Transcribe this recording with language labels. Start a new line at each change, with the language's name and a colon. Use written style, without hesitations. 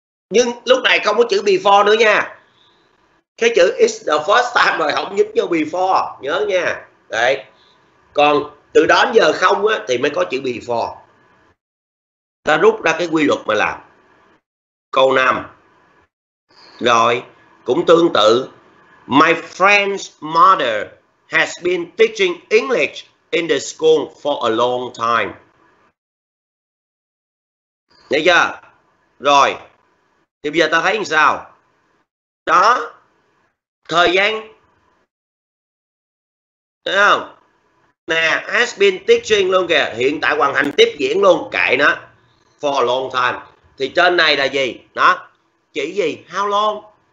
Vietnamese: Nhưng lúc này không có chữ before nữa nha. Cái chữ
English: it's the first time
Vietnamese: rồi, không nhấn vô before, nhớ nha. Đấy. Còn từ đó đến giờ không á thì mới có chữ before. Ta rút ra cái quy luật mà làm. Câu 5. Rồi, cũng tương tự.
English: My friend's mother has been teaching English in the school for a long time.
Vietnamese: Thấy chưa? Rồi. Thì bây giờ ta thấy làm sao? Đó. Thời gian. Thấy không? Nè,
English: has been teaching
Vietnamese: luôn kìa, hiện tại hoàn thành tiếp diễn luôn, kệ nó.
English: For a long time.
Vietnamese: Thì trên này là gì? Đó. Chỉ gì?
English: How long?